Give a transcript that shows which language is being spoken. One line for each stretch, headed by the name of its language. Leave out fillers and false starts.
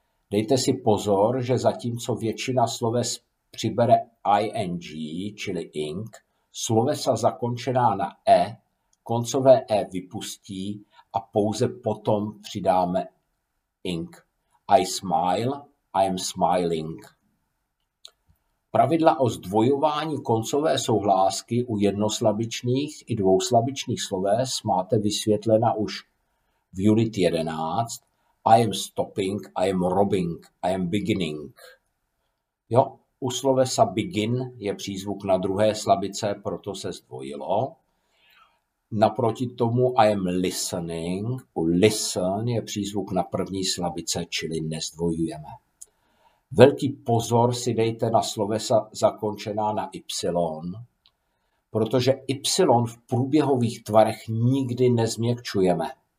Czech: Dejte si pozor, že zatímco většina sloves přibere ing, čili ing, slovesa zakončená na e, koncové e vypustí a pouze potom přidáme ing.
English: I smile, I am smiling.
Czech: Pravidla o zdvojování koncové souhlásky u jednoslabičných i dvouslabičných sloves máte vysvětlena už v unit 11.
English: I am stopping, I am robbing, I am beginning.
Czech: Jo, u slovesa begin je přízvuk na druhé slabice, proto se zdvojilo. Naproti tomu
English: I am listening,
Czech: u listen je přízvuk na první slabice, čili nezdvojujeme. Velký pozor si dejte na slovesa zakončená na y, protože y v průběhových tvarech nikdy nezměkčujeme.